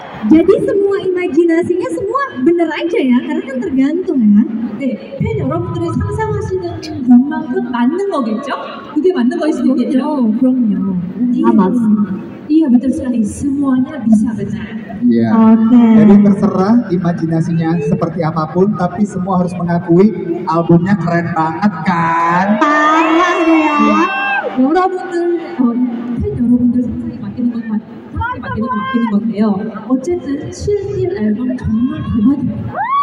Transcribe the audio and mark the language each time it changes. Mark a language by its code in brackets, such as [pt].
[id] Jadi semua imajinasinya semua benar aja ya, karena kan tergantung ya. [ko] 네, 팬 여러분들의 상상하시는 것만큼 맞는 거겠죠? 그게 맞는 거일 수도 있겠죠? 그럼요. 아, 맞습니다. [id] Iya, betul sekali. Semuanya bisa benar. Iya. Okay. Jadi terserah imajinasinya seperti apapun, tapi semua harus mengakui albumnya keren banget kan? Parah ya. Orang-orang itu, kan orang-orang itu sangat [ko] 많이는 바뀌는 건데요. 어쨌든 실질 앨범 정말 대박입니다.